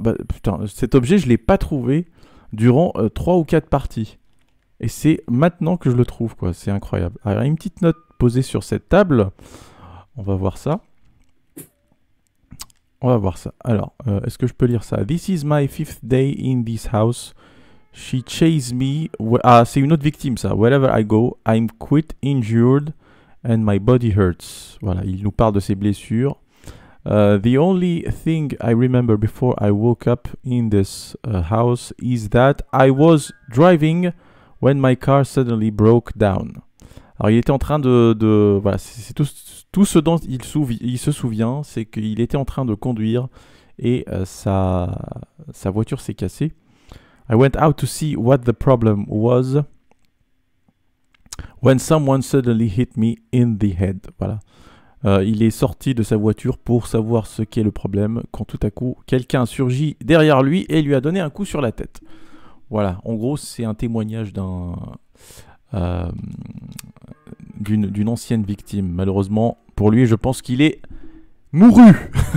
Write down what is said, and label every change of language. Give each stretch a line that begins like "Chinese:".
French: Bah, putain, cet objet, je l'ai pas trouvé durant 3 ou 4 parties. Et c'est maintenant que je le trouve, quoi. C'est incroyable. Alors, une petite note posée sur cette table. On va voir ça. On va voir ça. Alors, est-ce que je peux lire ça?
English: This is my fifth day in this house. She chased me.
French: Ah, c'est une autre victime, ça.
English: Wherever I go, I'm quite injured and my body hurts.
French: Voilà, il nous parle de ses blessures.
English: The only thing I remember before I woke up in this house is that I was driving when my car suddenly broke down.
French: Alors il était en train de voilà, c'est tout ce dont il se souvient, c'est qu'il était en train de conduire et sa voiture s'est cassée.
English: I went out to see what the problem was when someone suddenly hit me in the head.
French: Voilà. Il est sorti de sa voiture pour savoir ce qu'est le problème, quand tout à coup, quelqu'un surgit derrière lui et lui a donné un coup sur la tête. Voilà, en gros, c'est un témoignage d'une ancienne victime. Malheureusement, pour lui, je pense qu'il est mouru.